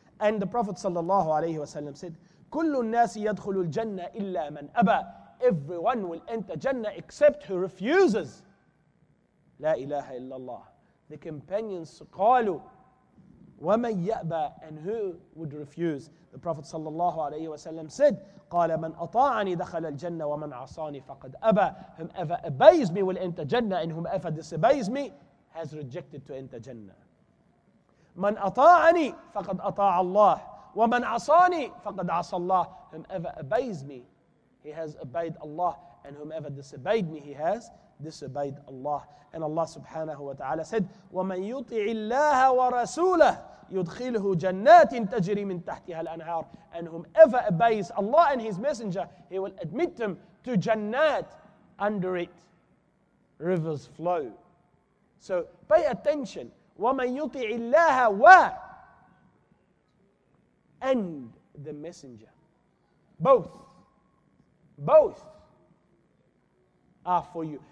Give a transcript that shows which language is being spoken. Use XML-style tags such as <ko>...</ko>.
<en>And the Prophet sallallahu alayhi wa sallam said,</en> <ar>كُلُّ النَّاسِ يَدْخُلُ الْجَنَّةِ إِلَّا مَنْ أَبَى.</ar> <en>Everyone will enter Jannah except who refuses. La ilaha illallah. The companions qalu,</en> <ar>وَمَنْ يَأْبَى.</ar> <en>And who would refuse? The Prophet sallallahu alayhi wa sallam said,</en> <ar>قَالَ مَنْ أَطَاعَنِي دَخَلَ الْجَنَّةِ وَمَنْ عَصَانِي فَقَدْ أَبَى.</ar> <en>Whomever obeys me will enter Jannah, and whomever disobeys me has rejected to enter Jannah.</en> <ar>مَنْ أَطَاعَنِي فَقَدْ أَطَاعَ اللَّهِ وَمَنْ عَصَانِي فَقَدْ عَصَى اللَّهِ.</ar> <en>Whomever obeys me, he has obeyed Allah. And whomever disobeyed me, he has disobeyed Allah. And Allah subhanahu wa ta'ala said,</en> <ar>وَمَنْ يُطِعِ اللَّهَ وَرَسُولَهُ يُدْخِلْهُ جَنَّاتٍ تَجْرِي مِنْ تَحْتِهَا الْأَنْهَارِ.</ar> <en>And whomever obeys Allah and his messenger, he will admit them to Jannat. Under it, rivers flow. So pay attention.</en> <ar>وَمَنْ يُطِعِ اللَّهَ وَا.</ar> <en>And the messenger. Both. Both are for you.</en>